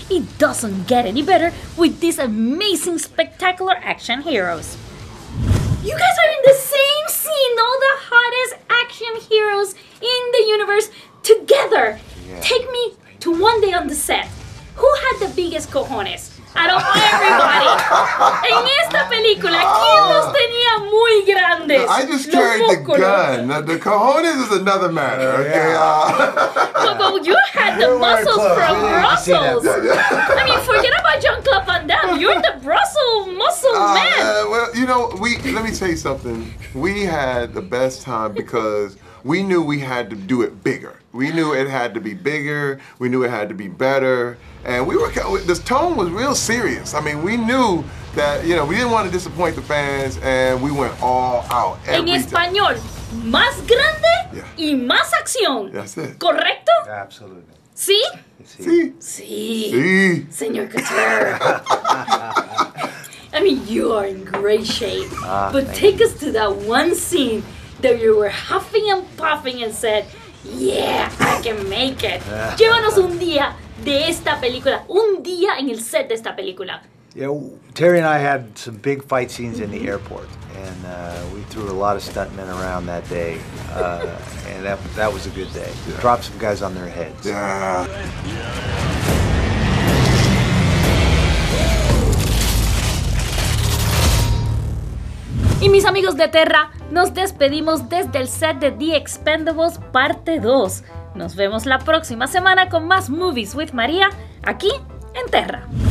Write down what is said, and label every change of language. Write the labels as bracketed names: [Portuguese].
[English] It doesn't get any better with these amazing spectacular action heroes. You guys are in the same scene, all the hottest action heroes in the universe together. Yeah. Take me to one day on the set. Who had the biggest cojones? Out of everybody. [Spanish] En esta película, ¿quién los tenía muy grandes? [English] No, I just carried the gun. The cojones is another matter. Okay. But you had the muscles from Brussels. I mean, forget about Jean-Claude Van Damme. You're the Brussels muscle man. Well, you know, let me tell you something. We had the best time because we knew we had to do it bigger. We knew it had to be bigger. We knew it had to be better. And this tone was real serious. I mean, we knew that, you know, we didn't want to disappoint the fans, and we went all out. [Spanish] En español, más grande y más acción. [English] That's it. [Spanish] ¿Correcto? [English] Absolutely. [Spanish] ¿Sí? Sí. Sí. Sí. Sí. Señor Couture. [English] I mean, you are in great shape. But take us to that one scene that you were huffing and puffing and said, yeah, I can make it. [Spanish] Llévanos un día de esta película, un día en el set de esta película. [English] Yeah, Terry and I had some big fight scenes in the airport, and we threw a lot of stuntmen around that day, and that was a good day. Yeah. Dropped some guys on their heads. [Spanish] Yeah. Y mis amigos de Terra, nos despedimos desde el set de The Expendables Parte 2. Nos vemos la próxima semana con más Movies with María, aquí en Terra.